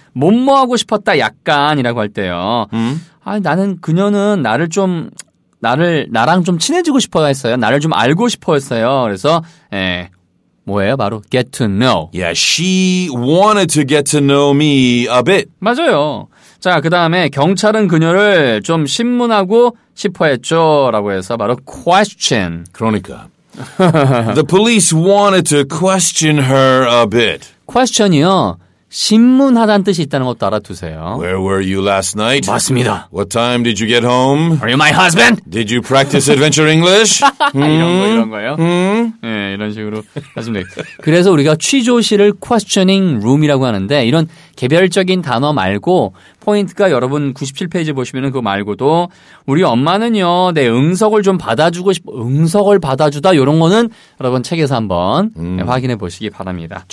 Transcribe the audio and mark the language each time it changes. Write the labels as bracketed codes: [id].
[ko] 뭐뭐 하고 싶었다 약간이라고 할 때요. 그녀는 나랑 좀 친해지고 싶어 했어요. 나를 좀 알고 싶어 했어요. 그래서 뭐예요? 바로 get to know. [en] Yeah, she wanted to get to know me a bit. [ko] 맞아요. 자, 그다음에 경찰은 그녀를 좀 심문하고 싶어 했죠. 라고 해서 바로 question. 그러니까. [en] The police wanted to question her a bit. [ko] question이요. 심문하다는 뜻이 있다는 것도 알아두세요. [en] Where were you last night? [ko] 맞습니다. [en] What time did you get home? Are you my husband? Did you practice adventure English? [ko] 이런 거요? 네, 이런 식으로 하십니다. 그래서 우리가 취조실을 questioning room이라고 하는데 이런 개별적인 단어 말고 포인트가 여러분 97페이지 보시면 그거 말고도 우리 엄마는요 내 응석을 좀 받아주고 싶어 응석을 받아주다 이런 거는 여러분 책에서 한번 확인해 보시기 바랍니다.